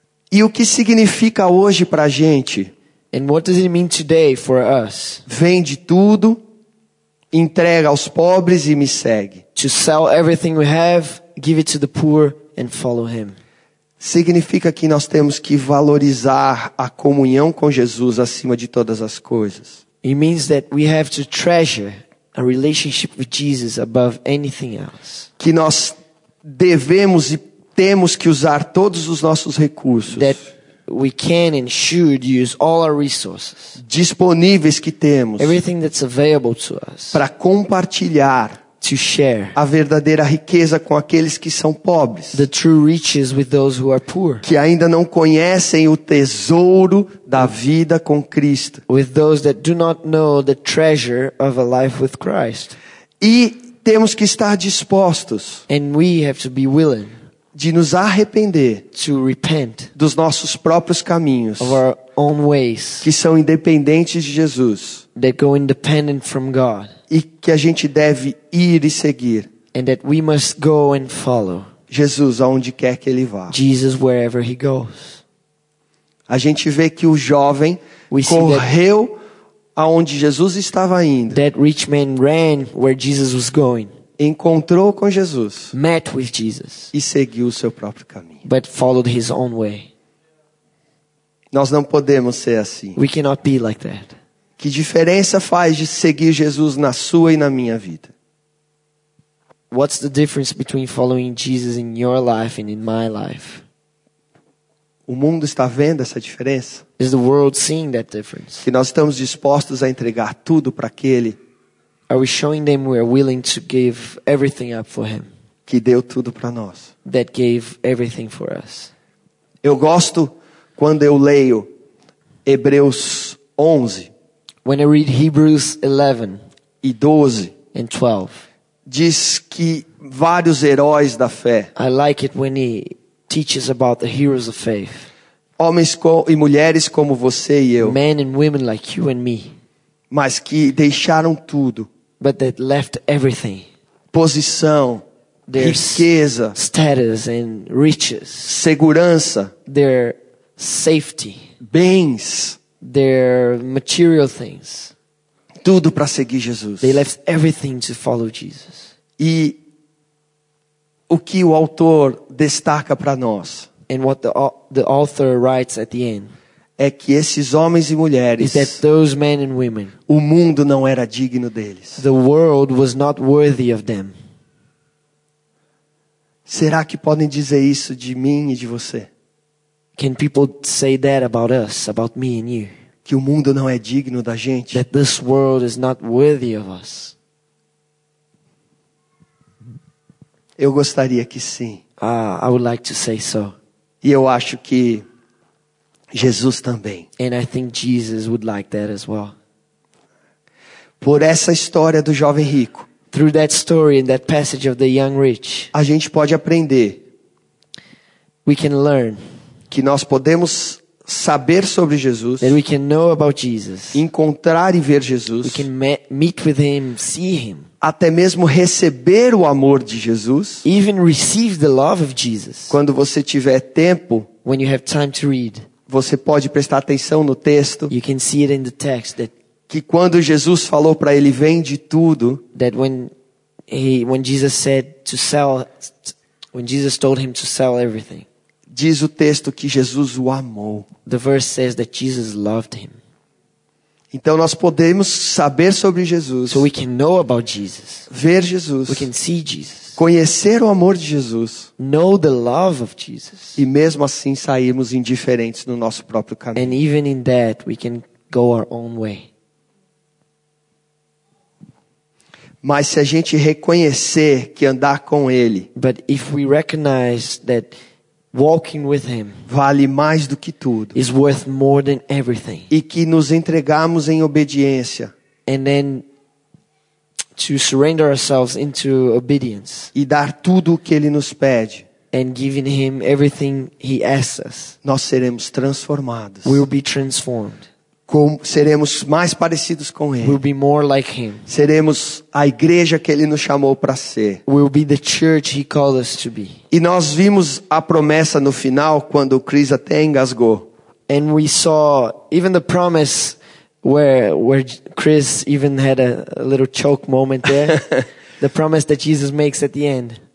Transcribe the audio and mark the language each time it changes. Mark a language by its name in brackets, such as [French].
[Portuguese] E o que significa hoje para a gente? [English] And what does it mean today for us? [Portuguese] Vende tudo, entrega aos pobres e me segue. [English] To sell everything we have, give it to the poor and follow him. [Portuguese] Significa que nós temos que valorizar a comunhão com Jesus acima de todas as coisas. [English] It means that we have to treasure a relationship with Jesus above anything else. [Portuguese] Que nós devemos e temos que usar todos os nossos recursos. [English] That we can and should use all our resources. [Portuguese] Disponíveis que temos. [English] Everything that's available to us. [Portuguese] Para compartilhar. [English] To share [Portuguese] a verdadeira riqueza com aqueles que são pobres. [English] The true riches with those who are poor. [Portuguese] Que ainda não conhecem o tesouro da vida com Cristo. [English] With those that do not know the treasure of a life with Christ. [Portuguese] E temos que estar dispostos. [English] And we have to be willing. [Portuguese] De nos arrepender. [English] To repent. [Portuguese] Dos nossos próprios caminhos. [English] Of our own ways. [Portuguese] Que são independentes de Jesus. [English] That go independent from God. [Portuguese] E que a gente deve ir e seguir. [English] And that we must go and follow. [Portuguese] Jesus, aonde quer que ele vá. [English] Jesus, wherever he goes. [Portuguese] A gente vê que o jovem [English] we [Portuguese] correu aonde Jesus estava indo. [English] That rich man ran where Jesus was going. [Portuguese] Encontrou com Jesus. [English] Met with Jesus. [Portuguese] E seguiu o seu próprio caminho. [English] But followed his own way. [Portuguese] Nós não podemos ser assim. [English] We cannot be like that. [Portuguese] Que diferença faz de seguir Jesus na sua e na minha vida? [English] What's the difference between following Jesus in your life and in my life? [Portuguese] O mundo está vendo essa diferença? [English] Is the world seeing that difference? [Portuguese] Que nós estamos dispostos a entregar tudo para aquele? [English] Are we showing them we are willing to give everything up for him? [Portuguese] Que deu tudo para nós? [English] That gave everything for us. [Portuguese] Eu gosto quando eu leio Hebreus 11. [English] When I read Hebrews 11 [Portuguese] e 12, [English] and 12, [Portuguese] diz que vários heróis da fé. [English] I like it when he teaches about the heroes of faith. [Portuguese] Homens e mulheres como você e eu. [English] Men and women like you and me. [Portuguese] Mas que deixaram tudo. [English] But that left everything. [Portuguese] Posição, [English] their [Portuguese] riqueza, [English] status and riches. [Portuguese] Segurança, [English] their safety. [Portuguese] Bens. [English] Their material things. [Portuguese] Tudo para seguir Jesus. [English] They left everything to follow Jesus. [Portuguese] E o que o autor destaca para nós? [English] And what the author writes at the end? [Portuguese] É que esses homens e mulheres, [English] is that those men and women, [Portuguese] o mundo não era digno deles. [English] The world was not worthy of them. [Portuguese] Será que podem dizer isso de mim e de você? [English] Can people say that about us, about me and you? [Portuguese] Que o mundo não é digno da gente? [English] That this world is not worthy of us. [Portuguese] Eu gostaria que sim. [English] I would like to say so. [Portuguese] E eu acho que Jesus também. [English] And I think Jesus would like that as well. [Portuguese] Por essa história do jovem rico. [English] Through that story and that passage of the young rich. [Portuguese] A gente pode aprender. [English] We can learn. [Portuguese] Que nós podemos saber sobre Jesus, [English] that we can know about Jesus, [Portuguese] encontrar e ver Jesus, [English] we can meet with him, see him, [Portuguese] até mesmo receber o amor de Jesus, [English] even receive the love of Jesus. [Portuguese] Quando você tiver tempo, [English] when you have time to read, [Portuguese] você pode prestar atenção no texto, [English] you can see it in the text, that [Portuguese] que quando Jesus falou para ele vende tudo, [English] that when Jesus said to sell, when Jesus told him to sell everything, [Portuguese] diz o texto que Jesus o amou. [English] The verse says that Jesus loved him. [Portuguese] Então nós podemos saber sobre Jesus. [English] So we can know about Jesus. [Portuguese] Ver Jesus. [English] We can see Jesus. [Portuguese] Conhecer o amor de Jesus. [English] Know the love of Jesus. [Portuguese] E mesmo assim saímos indiferentes no nosso próprio caminho. [English] And even in that we can go our own way. [Portuguese] Mas se a gente reconhecer que andar com ele, [English] but if we recognize that walking with him, [Portuguese] vale mais do que tudo, [English] is worth more than everything, [Portuguese] e que nos entregamos em obediência, [English] and then to surrender ourselves into obedience, [Portuguese] e dar tudo o que ele nos pede, [English] and giving him everything he asks us, [Portuguese] nós seremos transformados, [English] we'll be transformed, [Portuguese] seremos mais parecidos com ele, [English] we'll be more like him, [Portuguese] seremos a igreja que ele nos chamou para ser, [English] we'll be the church he called us to be. [Portuguese] E nós vimos a promessa no final quando o Chris até engasgou. [English] And we saw even the promise where Chris even had a little choke moment there. The promise that Jesus makes at the end.